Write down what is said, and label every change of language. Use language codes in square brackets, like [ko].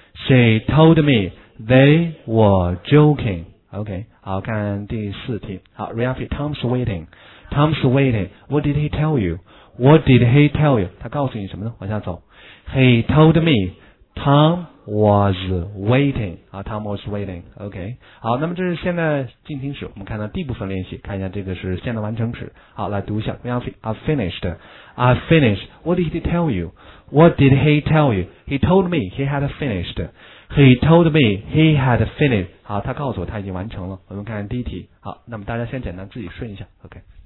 [en] She told me they were joking. Okay. 好， [zh] 看第四题。 [en] 好， Riafi, Tom's waiting. What did he tell you? What did he tell you? [zh] 他告诉你什么呢？往下走。 [en] He told me Tom was waiting. 好， Tom was waiting. Okay. [zh] 好，那么这是现在进行时，我们看到 D 部分练习，看一下这个是现在完成时。 [en] 好， [zh] 来读一下。 [en] I finished. What did he tell you? What did he tell you? He told me he had finished. He told me he had finished. [zh] 好，他告诉我他已经完成了。我们看看第一题。好，那么大家先简单自己顺一下。 [en] OK。